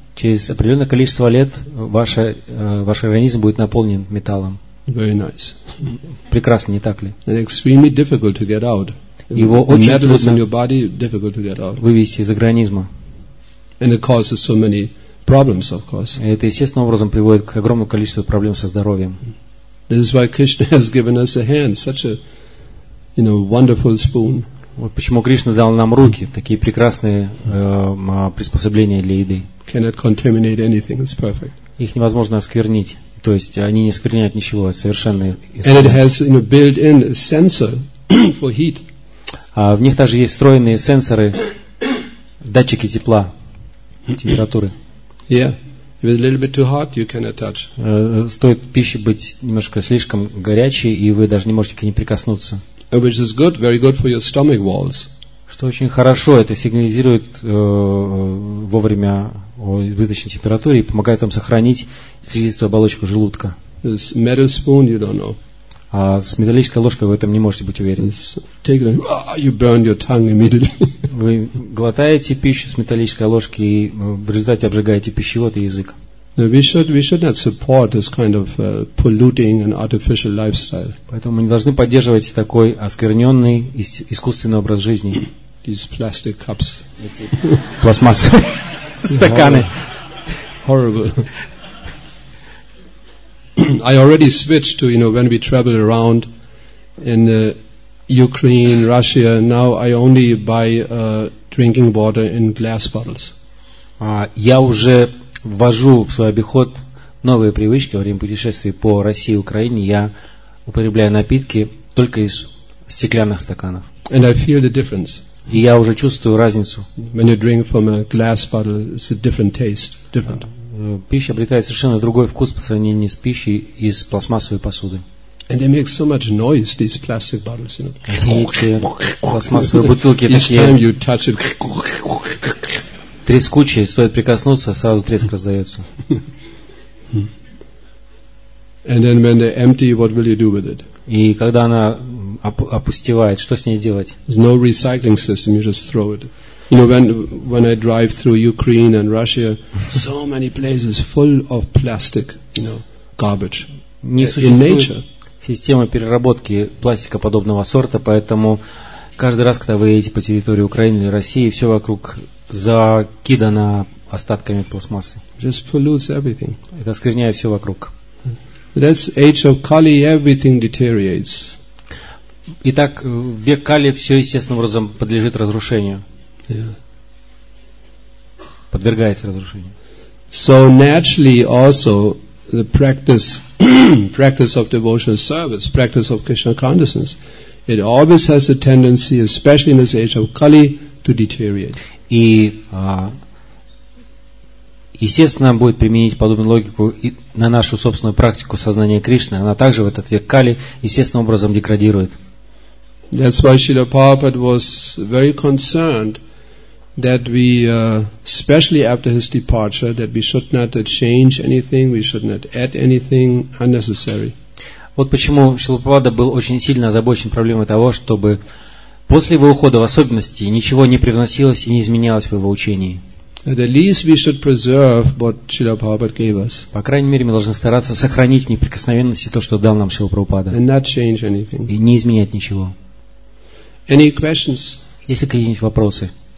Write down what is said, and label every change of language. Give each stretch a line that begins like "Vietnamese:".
Russian: Через определенное количество лет ваш организм будет наполнен металлом.
English: Very nice.
Russian: Прекрасно, не так ли?
English: And extremely difficult to get out.
Russian: Его очень трудно
English: metal in your body, difficult to get out.
Russian: Вывести из организма.
English: And it causes so many problems, of course.
Russian: Это естественным образом приводит к огромному количеству проблем со здоровьем.
English: This is why Krishna has given us a hand, such a, you know, wonderful spoon.
Russian: Вот почему Кришна дал нам руки, такие прекрасные приспособления для еды.
English: Cannot contaminate anything; it's perfect.
Russian: Их невозможно осквернить, то есть они не оскверняют ничего, совершенные.
English: And it has, you know, built-in sensor for heat.
Russian: В них также есть встроенные сенсоры, датчики тепла, температуры.
English: Yeah. If it's a little bit too hot, you cannot touch.
Russian: Стоит пище быть немножко слишком горячей, и вы даже не можете к ней прикоснуться.
English: Which is good, very good for your stomach walls.
Russian: Что очень хорошо, это сигнализирует вовремя о избыточной температуре и помогает вам сохранить слизистую оболочку желудка.
English: This metal spoon, you don't know.
Russian: А с металлической ложкой вы в этом не можете быть уверены.
English: Take it, you burn your tongue immediately.
Russian: Вы глотаете пищу с металлической ложки и в результате обжигаете пищевод и язык.
English: We should not support this kind of polluting and artificial lifestyle.
Russian: Поэтому мы не должны поддерживать такой оскверненный искусственный образ жизни.
English: These plastic cups.
Russian: Пластмассовые стаканы.
English: Horrible. I already switched to, you know, when we travel around in Ukraine, Russia. Now I only buy drinking water in glass bottles.
Russian: Я уже ввожу в свой обиход новые привычки во время путешествий по России и Украине. Я употребляю напитки только из стеклянных стаканов.
English: And I feel the difference.
Russian: И я уже чувствую разницу.
English: When you drink from a glass bottle, it's a different taste, different.
Russian: Пища обретает совершенно другой вкус по сравнению с пищей из пластмассовой посуды.
English: And they make so much noise, these plastic bottles, you know.
Russian: И эти пластмассовые бутылки
English: each
Russian: такие.
English: Time you touch it.
Russian: Трескучие, стоит прикоснуться, сразу треск раздается.
English: And then when they're empty, what will you do with it?
Russian: И когда она опустевает, что с ней делать?
English: There's no recycling system, you just throw it. You know, when I drive through Ukraine and Russia, so many places full of plastic, you know, garbage.
Russian: Не существует система переработки пластика подобного сорта, поэтому каждый раз, когда вы едете по территории Украины или России, все вокруг закидано остатками пластмассы.
English: Just pollutes everything.
Russian: Это оскверняет все вокруг.
English: That's age of Kali, everything deteriorates.
Russian: Итак, век Кали все естественным образом подлежит разрушению.
English: Yeah.
Russian: Подвергается разрушению.
English: So naturally also the practice of devotional service, practice of Krishna consciousness, it always has a tendency, especially in this age of Kali, to deteriorate.
Russian: И естественно будет применить подобную логику и на нашу собственную практику сознания Кришны. Она также в этот век Кали естественным образом деградирует.
English: That's why Srila Prabhupada was very concerned that we, especially after his departure, that we should not change anything, we should not add anything unnecessary.
Russian: Вот почему Шрила Прабхупада был очень сильно озабочен проблемой того, чтобы после его ухода, в особенности, ничего не привносилось и не изменялось в его учении.
English: At least we should preserve what Srila Prabhupada gave us.
Russian: По крайней мере, мы должны стараться сохранить в неприкосновенности то, что дал нам Шрила Прабхупада.
English: And not change anything.
Russian: И не изменять ничего.
English: Any questions?
Russian: Есть ли какие-нибудь вопросы?